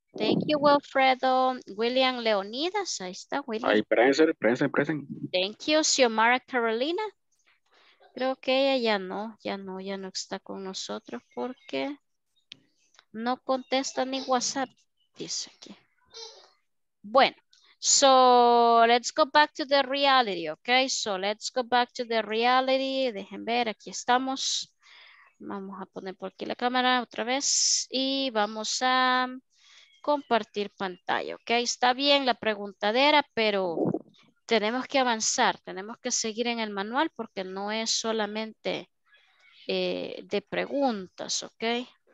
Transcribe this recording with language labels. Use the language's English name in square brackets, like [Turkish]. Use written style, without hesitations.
[English] Thank you, Wilfredo. William Leonidas. [Spanish] Ahí está, [English] William. Ahí, present, present, present. Thank you, Xiomara Carolina. [Spanish] Creo que ella ya no, ya no, ya no está con nosotros porque no contesta ni WhatsApp, dice aquí. Bueno. [English] So let's go back to the reality, okay? So let's go back to the reality. [Spanish] Dejen ver, aquí estamos. Vamos a poner por aquí la cámara otra vez y vamos a compartir pantalla, okay? Está bien la preguntadera, pero tenemos que avanzar, tenemos que seguir en el manual porque no es solamente de preguntas, okay?